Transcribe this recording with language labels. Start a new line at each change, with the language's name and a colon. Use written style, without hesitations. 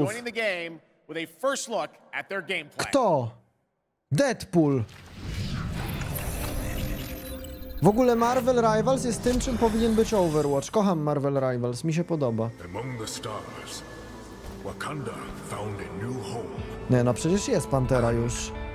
English: Joining the game with a first look at their gameplay.
Polish: Kto? Deadpool. W ogóle Marvel Rivals jest tym, czym powinien być Overwatch. Kocham Marvel Rivals, mi się podoba.
English: Among the stars, Wakanda found a new home.
Polish: Nie, no przecież jest Pantera już.